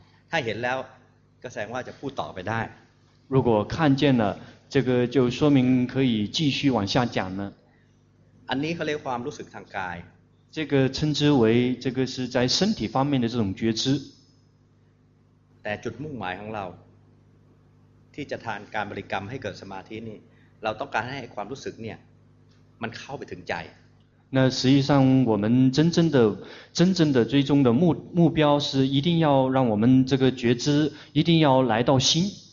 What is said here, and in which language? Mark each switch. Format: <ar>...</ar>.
<th>ถ้าเห็นแล้วก็แสดงว่าจะพูดต่อไปได้</th> <zh>如果看见了这个就说明可以继续往下讲呢</zh> <th>อันนี้เขาเรียกความรู้สึกทางกาย</th> <zh>这个称之为这个是在身体方面的这种觉知</zh> <th>แต่จุดมุ่งหมายของเราที่จะทานการบริกรรมให้เกิดสมาธินี่เราต้องการให้ความรู้สึกเนี่ยมันเข้าไปถึงใจ</th> <zh>那实际上我们真正的最终的目标是一定要让我们这个觉知一定要来到心</zh>